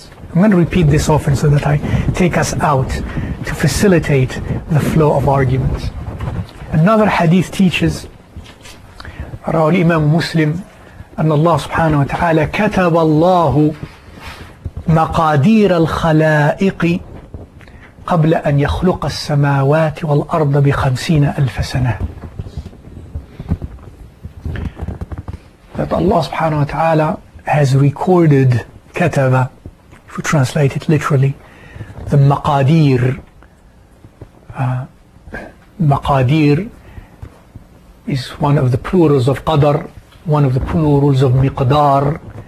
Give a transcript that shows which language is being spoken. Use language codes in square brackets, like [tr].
[en] I'm going to repeat this often so that I take us out to facilitate the flow of arguments. Another hadith teaches, [ar] رأى الإمام مسلم أن الله سبحانه وتعالى كتب الله مقادير الخلائق قبل أن يخلق السماوات والأرض بخمسين ألف سنة. [en] That Allah [ar] سبحانه وتعالى [en] has recorded, كتب, if we translate it literally, the مقادير. مقادير is one of the plurals of قدر, one of the plurals of مقدار.